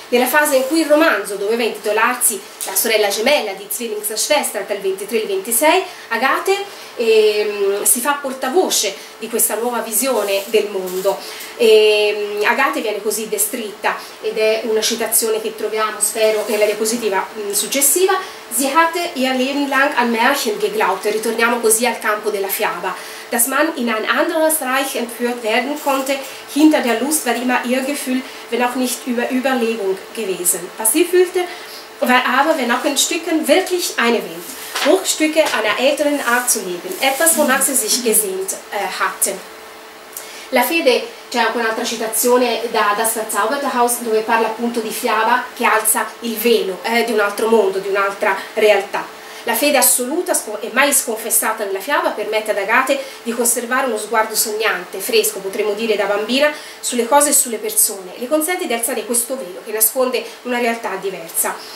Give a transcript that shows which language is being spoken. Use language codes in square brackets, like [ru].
[it] nella fase in cui il romanzo doveva intitolarsi La sorella gemella di Zwillingsschwester tra il 23 e il 26, Agathe si fa portavoce di questa nuova visione del mondo. Agathe viene così descritta, ed è una citazione che troviamo, spero, nella diapositiva successiva: [de] Sie hatte ihr Leben lang an Märchen geglaubt, [it] ritorniamo così al campo della fiaba. [de] Dass man in ein anderes Reich entführt werden konnte, hinter der Lust war immer ihr Gefühl, wenn auch nicht über Überlegung gewesen. Was sie fühlte, war aber, wenn auch in Stücken, wirklich eine Welt. Bruchstücke einer älteren Art zu leben. Etwas, wonach sie sich gesehnt hatte. [it] La fede, c'è anche un'altra citazione da Das Verzauberthaus, dove parla appunto di fiaba che alza il velo di un altro mondo, di un'altra realtà. La fede assoluta e mai sconfessata nella fiaba permette ad Agathe di conservare uno sguardo sognante, fresco, potremmo dire da bambina, sulle cose e sulle persone, e le consente di alzare questo velo che nasconde una realtà diversa.